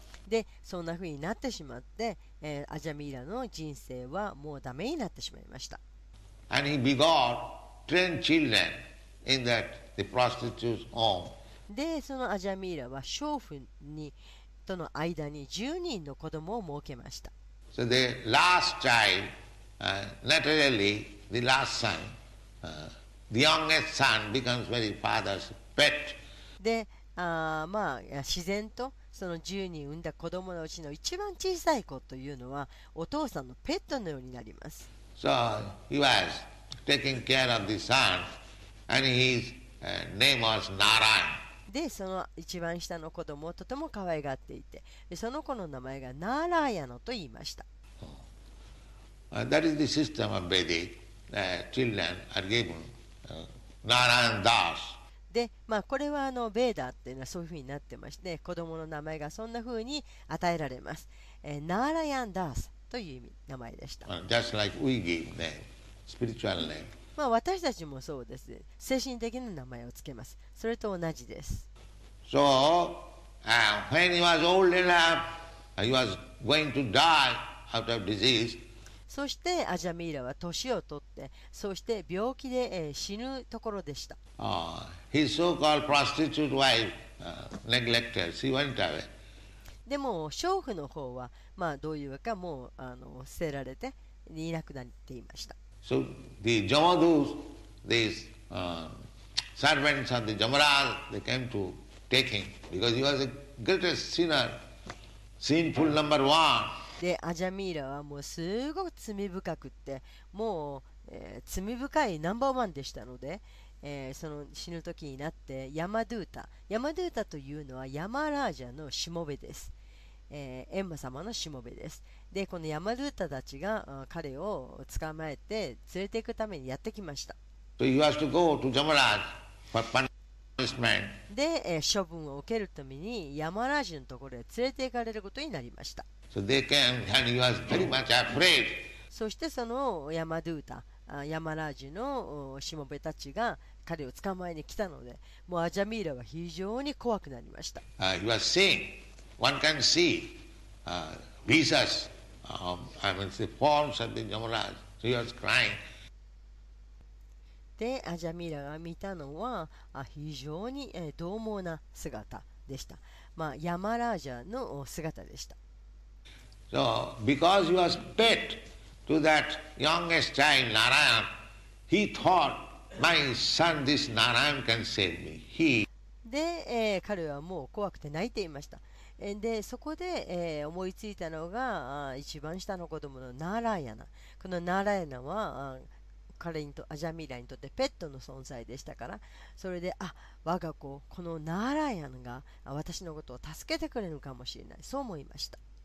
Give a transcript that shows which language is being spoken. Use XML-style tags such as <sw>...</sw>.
<ja>で、そんなふうになってしまって、アジャミーラの人生はもうダメになってしまいました。</ja> <en>And he begot. Train children in that the prostitute's home.</en> <ja>で、そのアジャミーラは娼婦にとの間に10人の子供を設けました。</ja> <en>So the last child, naturally the last son, the youngest son becomes very father's pet.</en> <ja>で、まあ自然とその10人産んだ子供のうちの一番小さい子というのはお父さんのペットのようになります。</ja> <en>So he was. Taking care of the son, and his name was Narayan.</en> <ja>で、その一番下の子供をとても可愛がっていて、その子の名前がナーラーヤノと言いました。</ja> <en>That is the system of Vedic. Children are given Narayan Das.</en> <ja>で、まあこれはベーダーっていうのはそういうふうになってまして、子供の名前がそんなふうに与えられます。ナーラヤンダースという名前でした。</ja> <en>Just like we give name. Spiritual name.</en> <ja>まあ私たちもそうです。精神的な名前をつけます。それと同じです。</ja> <en>So, when he was old enough, he was going to die out of disease.</en> <ja>そしてアジャミーラは年を取って、そして病気で、死ぬところでした。</ja> <en>His so-called prostitute wife, neglected. She went away.</en> <ja>でも娼婦の方は、まあどういうかもう捨てられて、いなくなっていました。</ja> <en>So the Jamadus, these servants of the Jamaraj, they came to take him because he was the greatest sinner, sinful number one.</en> <ja>で、アジャミーラはもうすごく罪深くって、もう、罪深いナンバーワンでしたので、その死ぬ時になってヤマドゥータ、ヤマドゥータというのはヤマラージャのしもべです。エンマ様のしもべです。で、このヤマルータたちが彼を捕まえて連れていくためにやってきました。</ja> <en>So he has to go to Yamaraj for punishment.</en> <ja>で、処分を受けるためにヤマラジのところへ連れて行かれることになりました。</ja> <en>So they came and he was very much afraid.</en> <ja>そしてそのヤマドゥータ、ヤマラジのしもべたちが彼を捕まえに来たので、もうアジャミーラは非常に怖くなりました。</ja> <en>He was saying, one can see visas, I mean the forms of the Yamaraj. So he was crying.</en> <ja>で、アジャミーラが見たのは非常に獰猛な姿でした。まあ、ヤマラージャの姿でした。</ja> <en>So, because he was pet to that youngest child, Narayan, he thought, my son, this Narayan can save me. He...</en> <ja>で、彼はもう怖くて泣いていました。で、そこで、思いついたのが、一番下の子供のナラヤナ。このナラヤナは、彼にとアジャミーラにとってペットの存在でしたから、それで我が子このナーラヤンが私のことを助けてくれるかもしれない、そう思いました。</ja>